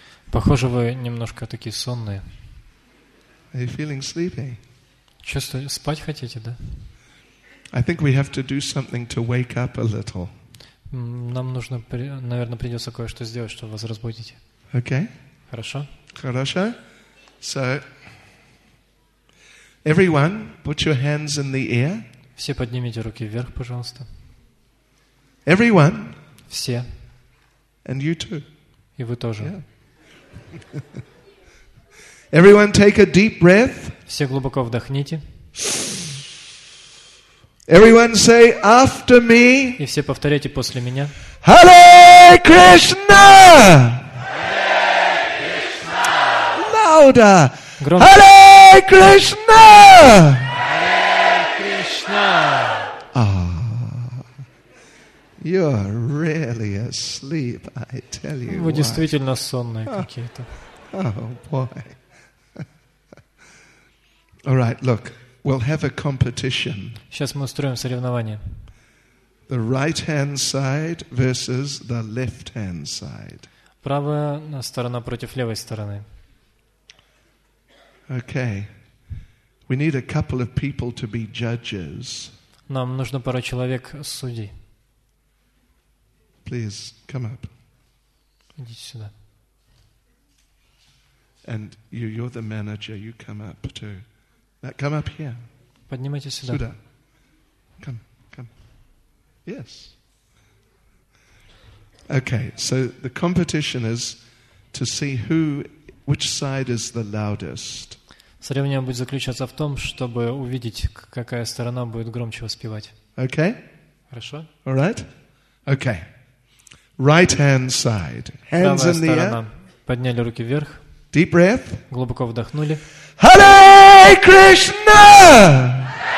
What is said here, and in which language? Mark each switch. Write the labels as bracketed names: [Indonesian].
[Russian] Похоже, вы немножко такие сонные. [English] Are you feeling sleepy? [Russian] Чувствуете, спать хотите, да? [English] I think we have to do something to wake up a little. [Russian] Нам нужно, наверное, придется кое-что сделать, чтобы вас разбудить. [English] Okay. [Russian] Хорошо. Хорошо. [English] So, everyone, put your hands in the air. [Russian] Все поднимите руки вверх, пожалуйста. [English] Everyone. [Russian] Все. [English] And you too. [Russian] И вы тоже. Yeah. [English] Everyone, take a deep breath. [Russian] Все глубоко вдохните. [English] Everyone say after me. [Russian] И все повторяйте после меня. [English] Hare Krishna. Louder. [Russian] Громче. [English] Hare Krishna. Hare Krishna. Oh, you are really asleep, I tell you. [Russian] Вы действительно сонные какие-то. [English] Oh boy. All right, look. We'll have a competition. [Russian] Сейчас мы устроим соревнование. [English] The right hand side versus the left hand side. [Russian] Правая сторона против левой стороны. [English] Okay. We need a couple of people to be judges. [Russian] Нам нужно пара человек судей. [English] Please come up. [Russian] Идите сюда. [English] And you're the manager. You come up too. Now come up here. [Russian] Поднимайтесь сюда. Сюда. [English] Come. Yes. Okay, so the competition is to see which side is the loudest. [Russian] Соревнование будет заключаться в том, чтобы увидеть, какая сторона будет громче воспевать. [English] Okay? [Russian] Хорошо. [English] All right? Okay. Right hand side. Hands in the air. [Russian] Подняли руки вверх. [English] Deep breath. [Russian] Глубоко вдохнули. [English] Hare Krishna!